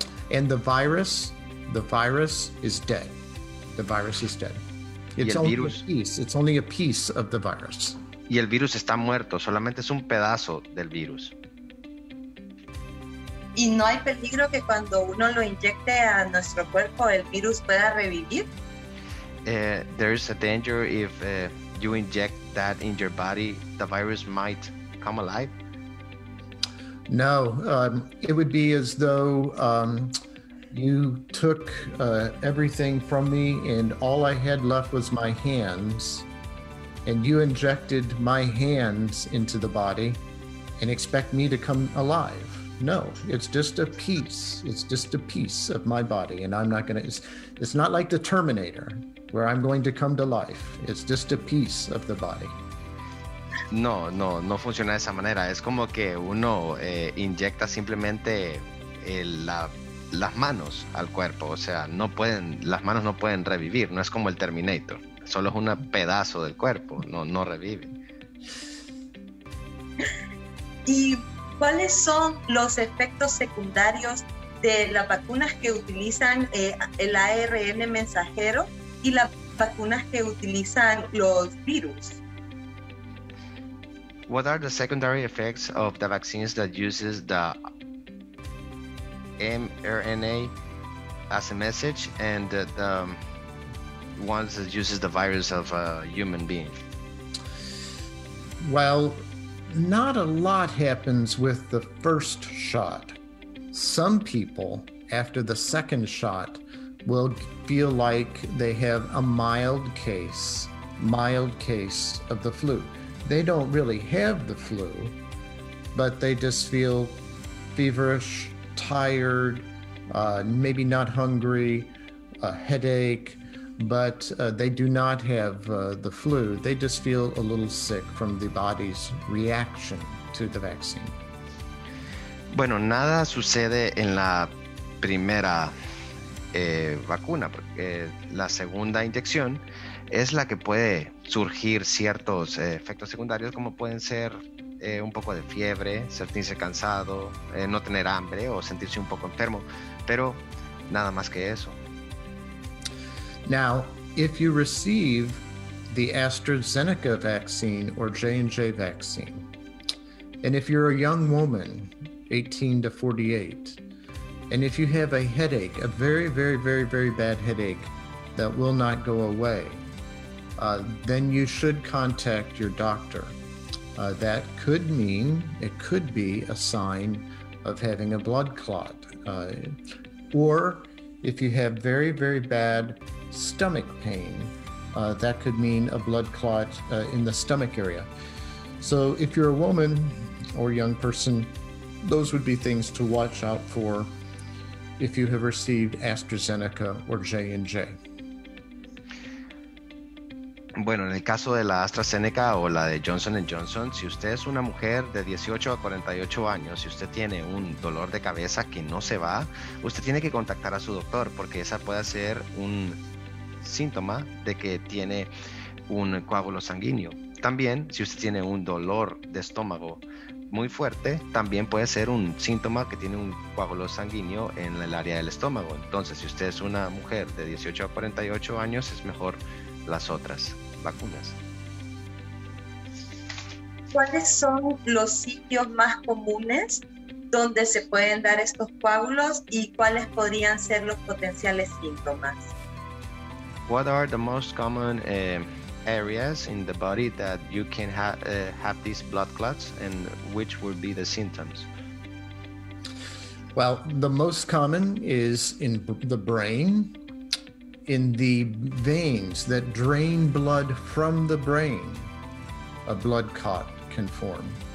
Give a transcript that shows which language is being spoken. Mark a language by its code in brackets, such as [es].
[en] And the virus is dead. The virus is dead. It's only virus, a piece. It's only a piece of the virus. [es] Y el virus está muerto. Solamente es un pedazo del virus. ¿Y no hay peligro que cuando uno lo inyecte a nuestro cuerpo, el virus pueda revivir? [en] There is a danger if you inject that in your body, the virus might come alive? No, it would be as though you took everything from me and all I had left was my hands, and you injected my hands into the body and expect me to come alive. No, it's just a piece. It's just a piece of my body, and I'm not gonna. It's not like the Terminator, where I'm going to come to life. It's just a piece of the body. [es] No, no, no funciona de esa manera. Es como que uno inyecta simplemente las manos al cuerpo. O sea, no pueden, las manos no pueden revivir. No es como el Terminator. Solo es un pedazo del cuerpo. No revive. ¿Cuáles son los efectos secundarios de las vacunas que utilizan el ARN mensajero y las vacunas que utilizan los virus? [en] What are the secondary effects of the vaccines that uses the mRNA as a message and the ones that uses the virus of a human being? Well, not a lot happens with the first shot. Some people, after the second shot, will feel like they have a mild case of the flu. They don't really have the flu, but they just feel feverish, tired, maybe not hungry, a headache, but they do not have the flu. They just feel a little sick from the body's reaction to the vaccine. [es] Bueno, nada sucede en la primera vacuna, porque la segunda inyección es la que puede surgir ciertos efectos secundarios, como pueden ser un poco de fiebre, sentirse cansado, no tener hambre o sentirse un poco enfermo, pero nada más que eso. [en] Now, if you receive the AstraZeneca vaccine or J&J vaccine, and if you're a young woman, 18 to 48, and if you have a headache, a very, very, very, very bad headache that will not go away, then you should contact your doctor. That could mean, it could be a sign of having a blood clot. Or if you have very, very bad stomach pain, that could mean a blood clot in the stomach area. So if you're a woman or young person, those would be things to watch out for if you have received AstraZeneca or J&J. [es] Bueno, en el caso de la AstraZeneca o la de Johnson & Johnson, si usted es una mujer de 18 a 48 años, si usted tiene un dolor de cabeza que no se va, usted tiene que contactar a su doctor, porque esa puede ser un síntoma de que tiene un coágulo sanguíneo. También, si usted tiene un dolor de estómago muy fuerte, también puede ser un síntoma que tiene un coágulo sanguíneo en el área del estómago. Entonces, si usted es una mujer de 18 a 48 años, es mejor las otras vacunas. ¿Cuáles son los sitios más comunes donde se pueden dar estos coágulos y cuáles podrían ser los potenciales síntomas? [en] what are the most common areas in the body that you can have these blood clots, and which would be the symptoms? Well, the most common is in the brain, in the veins that drain blood from the brain, a blood clot can form.